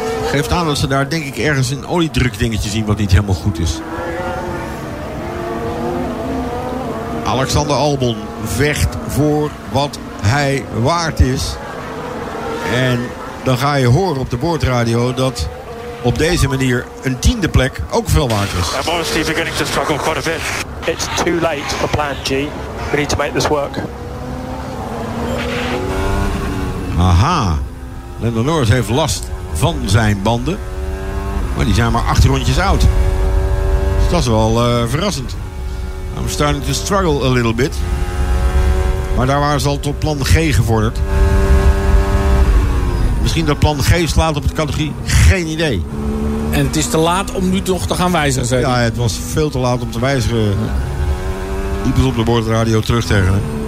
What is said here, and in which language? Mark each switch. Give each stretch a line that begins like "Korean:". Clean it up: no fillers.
Dutch: Geeft aan dat ze daar denk ik ergens een oliedruk dingetje zien wat niet helemaal goed is. Alexander Albon vecht voor wat hij waard is. En dan ga je horen op de boordradio dat op deze manier een 10e plek ook veel waard is.
English: I'm obviously beginning to struggle quite a bit. It's too late for plan G. We need to make this work. Aha.
Dutch: Lando Norris heeft last van zijn banden. Maar die zijn maar 8 rondjes oud. Dus dat is wel verrassend.
English: I'm starting to struggle a little bit.
Dutch: Maar daar waren ze al tot plan G gevorderd. Misschien dat plan G slaat op de categorie. Geen idee. En het is te laat om nu toch te gaan wijzigen. Zeg. Ja, het was veel te laat om te wijzigen. Diep eens op de boordradio terug tegen.